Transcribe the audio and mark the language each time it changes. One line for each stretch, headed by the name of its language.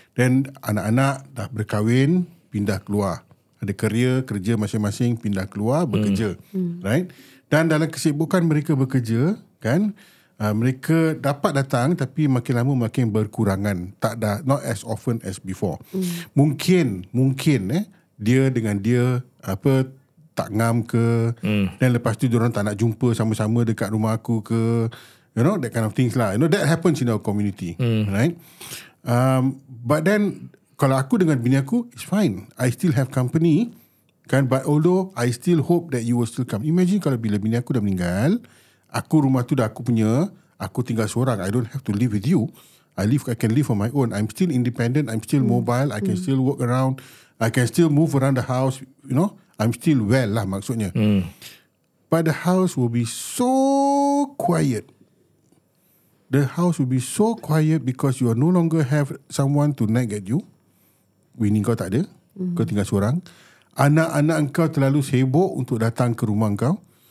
English: Then,
Malay: anak-anak dah berkahwin, pindah keluar. Ada kerja masing-masing, pindah keluar, bekerja.
English: Right?
Malay: Dan dalam kesibukan mereka bekerja, kan, mereka dapat datang, tapi makin lama makin berkurangan. Tak dah,
English: not as often as before.
Malay: Mungkin, dia dengan dia, apa, tak ngam ke. Dan lepas tu diorang tak nak jumpa sama-sama dekat rumah aku ke.
English: You know, that kind of things lah. You know, that happens in our community. Right? But then,
Malay: kalau aku dengan bini aku,
English: it's fine. I still have company.
Malay: Kan?
English: But although, I still hope that you will still come. Imagine
Malay: kalau bila bini aku dah meninggal, aku rumah tu dah aku punya, aku tinggal seorang.
English: I don't have to live with you. I can live on my own. I'm still independent. I'm still mobile. I can still work around. I can still move around the house. You know? I'm still well lah
Malay: maksudnya.
English: But the house will be so quiet. The house will be so quiet because you no longer have someone to nag at you.
Malay: Bini kau tak ada. Kau tinggal seorang. Anak-anak kau terlalu sibuk untuk datang ke rumah kau.